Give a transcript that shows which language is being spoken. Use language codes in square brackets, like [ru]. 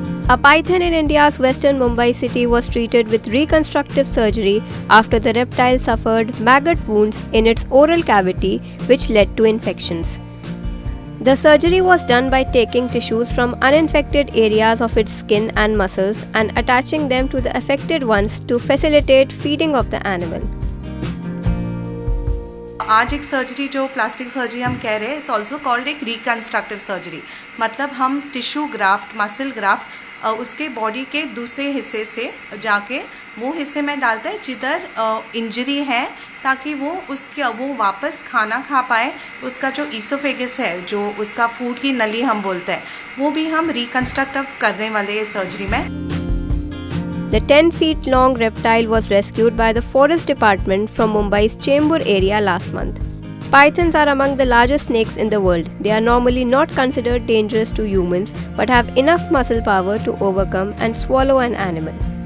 [en] A python in India's western Mumbai city was treated with reconstructive surgery after the reptile suffered maggot wounds in its oral cavity, which led to infections. The surgery was done by taking tissues from uninfected areas of its skin and muscles and attaching them to the affected ones to facilitate feeding of the animal. [hi] आज एक surgery जो plastic surgery हम कह रहे हैं, [en] it's also called [hi] एक reconstructive surgery, मतलब हम टिश्यू ग्राफ्ट, मसल ग्राफ्ट उसके बॉडी के दूसरे हिस्से से जाके वो हिस्से में डालते हैं जिधर इंजरी है, ताकि वो उसके वो वापस खाना खा पाए. उसका जो ईसोफेगस है, जो उसका फूड की नली हम बोलते हैं, वो भी हम रिकंस्ट्रक्टिव करने वाले हैं सर्जरी में. [en] The 10 feet long reptile was rescued by the Forest Department from Mumbai's Chembur area last month. Pythons are among the largest snakes in the world. They are normally not considered dangerous to humans, but have enough muscle power to overcome and swallow an animal.